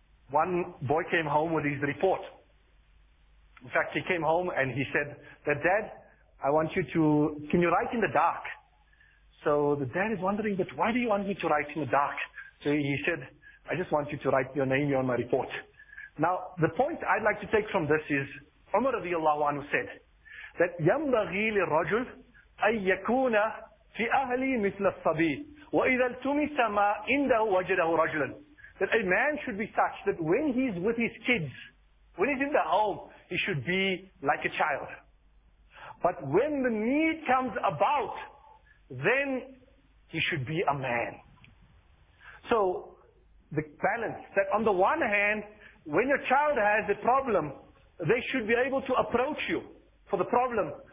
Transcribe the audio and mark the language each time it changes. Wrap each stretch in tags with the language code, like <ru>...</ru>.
<en>One boy came home with his report. In fact, he came home and he said that, Dad, I want you to, can you write in the dark? So the dad is wondering, but why do you want me to write in the dark? So he said, I just want you to write your name on my report. Now, the point I'd like to take from this is, Umar رضي الله عنه said, that</en> <ar>يَنْبَغِي لِلْرَجُلْ أَنْ يَكُونَ فِي أَهْلِ مِثْلَ الصَّبِيِّ وَإِذَا الْتُمِسَ مَا إِنْدَهُ وَجِدَهُ رَجُلًا.</ar> <en>That a man should be such that when he's with his kids, when he's in the home, he should be like a child. But when the need comes about, then he should be a man. So, the balance, that on the one hand, when your child has a problem, they should be able to approach you for the problem.</en>